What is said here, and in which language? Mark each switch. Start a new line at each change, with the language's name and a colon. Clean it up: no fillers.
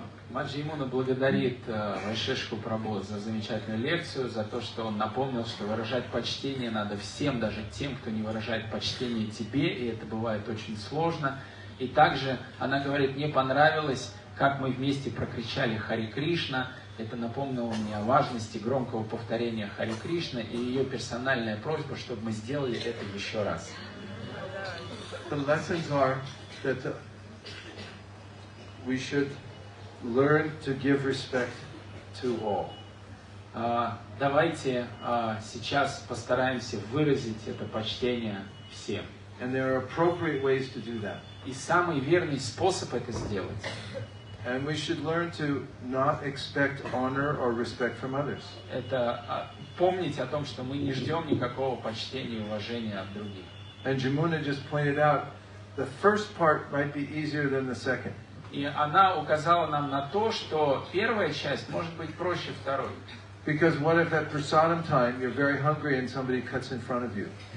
Russian: Маджи Имуна благодарит Вайшешку Прабху за замечательную лекцию, за то, что он напомнил, что выражать почтение надо всем, даже тем, кто не выражает почтение тебе, и это бывает очень сложно. И также она говорит, мне понравилось, как мы вместе прокричали «Хари Кришна», это напомнило мне о важности громкого повторения «Хари Кришна» и ее персональная просьба, чтобы мы сделали это еще раз.
English: The lessons are that we should learn to give respect to all.
Russian: Давайте сейчас постараемся выразить это почтение всем.
English: And there are appropriate ways to do that.
Russian: И самый верный способ это сделать.
English: And we should learn to not expect honor or respect from others.
Russian: Это помнить о том, что мы не ждем никакого почтения и уважения от других.
English: And Jamuna just pointed out the first part might be easier than the second.
Russian: И она указала нам на то, что первая часть может быть проще второй.
English: Because what if at prasadam time you're very hungry and somebody cuts in front of you?